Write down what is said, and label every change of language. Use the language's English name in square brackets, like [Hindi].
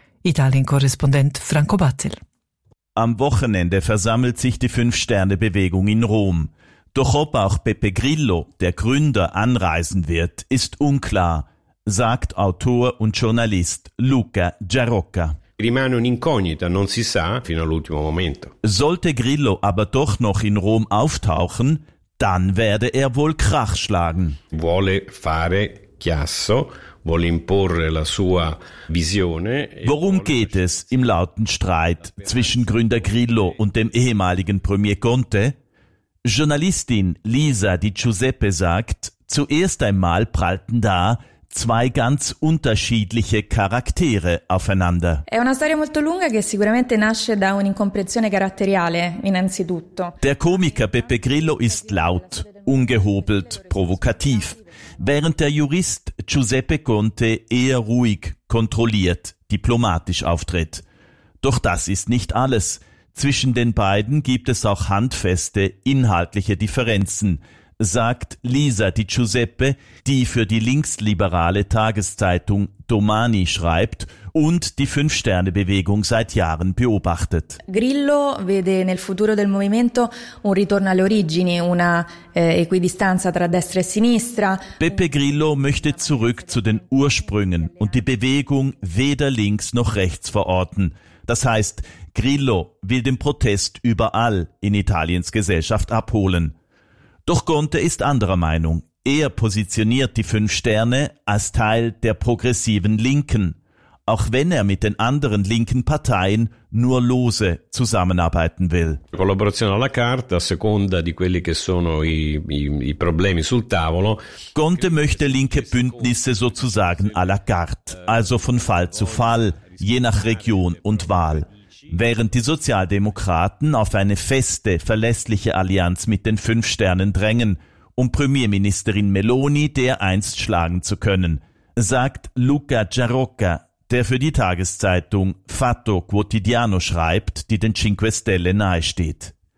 [German] Italien-Korrespondent Franco Battel. Am Wochenende versammelt sich die 5-Sterne-Bewegung in Rom. Doch ob auch Beppe Grillo, der Gründer, anreisen wird, ist unklar, sagt Autor und Journalist Luca Giarocca. [Italian] Rimane un'incognita, non si sa fino all'ultimo momento. [German] Sollte Grillo aber doch noch in Rom auftauchen, dann werde er wohl Krach schlagen. [Italian] Vuole fare chiasso. [German] Worum geht es im lauten Streit zwischen Gründer Grillo und dem ehemaligen Premier Conte? Journalistin Lisa Di Giuseppe sagt, zuerst einmal prallten da 2 ganz unterschiedliche Charaktere aufeinander. [Italian] È una storia molto lunga che sicuramente nasce da un'incomprensione caratteriale innanzitutto. [German] Der Komiker Beppe Grillo ist laut, ungehobelt, provokativ. Während der Jurist Giuseppe Conte eher ruhig, kontrolliert, diplomatisch auftritt. Doch das ist nicht alles. Zwischen den beiden gibt es auch handfeste, inhaltliche Differenzen, sagt Lisa Di Giuseppe, die für die linksliberale Tageszeitung Domani schreibt und die 5-Sterne-Bewegung seit Jahren beobachtet. [Italian] Grillo vede nel futuro del movimento un ritorno alle origini, una equidistanza tra destra e sinistra. [German] Beppe Grillo möchte zurück zu den Ursprüngen und die Bewegung weder links noch rechts verorten. Das heißt, Grillo will den Protest überall in Italiens Gesellschaft abholen. Doch Conte ist anderer Meinung. Er positioniert die 5 Sterne als Teil der progressiven Linken, auch wenn er mit den anderen linken Parteien nur lose zusammenarbeiten will. [Italian] Kollaboration alla carte, a seconda di quelli che sono i problemi sul tavolo. [German] Conte möchte linke Bündnisse sozusagen à la carte, also von Fall zu Fall, je nach Region und Wahl. Während die Sozialdemokraten auf eine feste, verlässliche Allianz mit den 5 Sternen drängen, um Premierministerin Meloni dereinst schlagen zu können, sagt Luca Giarocca, der für die Tageszeitung Fatto Quotidiano schreibt, die den Cinque Stelle nahesteht.